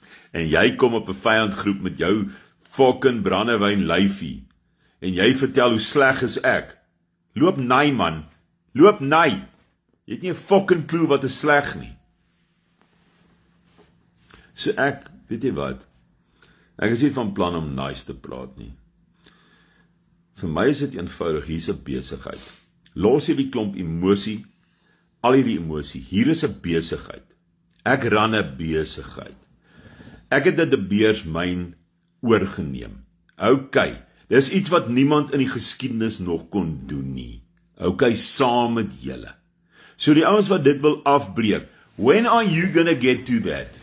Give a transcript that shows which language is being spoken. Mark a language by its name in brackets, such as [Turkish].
[Afrikaans] En jy kom op 'n vijandgroep met jou fucking brandewijn lyfie, en jy vertel hoe sleg is ek. Loop naai man, loop naai, jy het nie 'n fucking clue wat is sleg nie. So ek, weet jy wat, ek is nie van plan om nice te praat nie. Vir my is dit eenvoudig, hier is een besigheid. Los hierdie klomp emosie, al hierdie emosie, hier is een besigheid. Ek ran een besigheid. Ek het dit De Beers myn oorgeneem. Ok, dit is iets wat niemand in die geskiedenis nog kon doen nie. Ok, saam met julle. So die ouens wat dit wil afbreek, [English] when are you gonna get to that?